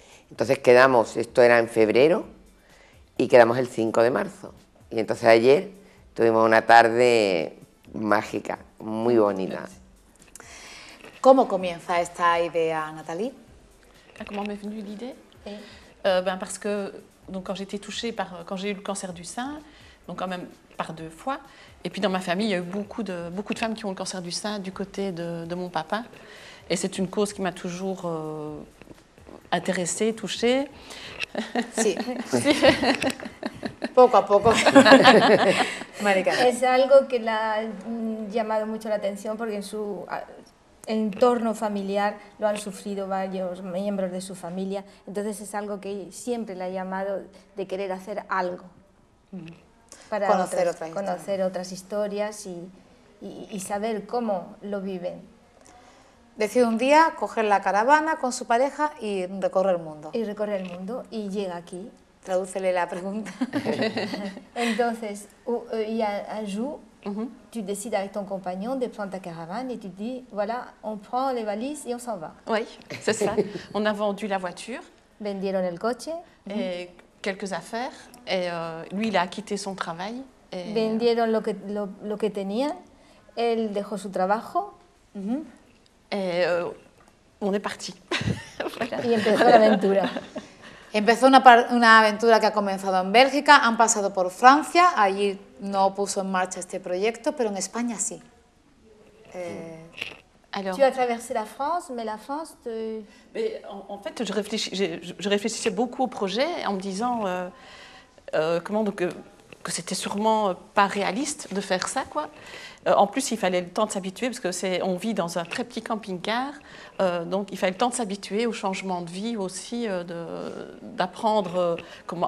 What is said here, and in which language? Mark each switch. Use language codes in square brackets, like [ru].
[es] Entonces quedamos, esto era en febrero, y quedamos el 5 de marzo. Y entonces ayer tuvimos una tarde mágica, muy bonita. ¿Cómo comienza esta idea, Nathalie? ¿Cómo me vino la idea? Porque cuando [fr] j'étais touchée, [es] cuando [fr] j'ai eu [es] el cáncer [fr] du sein, donc quand même par deux fois. Et puis dans ma famille, il y a eu beaucoup de femmes qui ont le cancer du sein du côté de mon papa. Et c'est une cause qui m'a toujours intéressée, touchée. [es] Sí. Sí. Poco a poco. Marika. Es algo que la ha llamado mucho la atención porque en su entorno familiar lo han sufrido varios miembros de su familia. Entonces es algo que siempre la ha llamado de querer hacer algo. Para conocer otras historias y saber cómo lo viven. Decide un día coger la caravana con su pareja y recorrer el mundo. Y recorrer el mundo y llega aquí. Tradúcele la pregunta. [fr] Entonces, y un jour, tu decides avec ton compagnon de prendre ta caravane et tu dis, voilà, on prend les valises et on s'en va. Oui, c'est ça. On a vendu la voiture. [es] Vendieron el coche. [fr] Quelques affaires et lui il a quitté son travail. Et [es] vendieron lo que tenía, él dejó su trabajo. [fr] Et on est parti. [es] Y empezó la aventura. Empezó una aventura que ha comenzado en Bélgica, han pasado por Francia, allí no puso en marcha este proyecto, pero en España sí. [fr] Alors, tu as traversé la France, mais la France te... Mais en fait, je réfléchissais beaucoup au projet en me disant que c'était sûrement pas réaliste de faire ça, quoi. En plus, il fallait le temps de s'habituer, parce qu'on vit dans un très petit camping-car, donc il fallait le temps de s'habituer au changement de vie aussi, d'apprendre comment...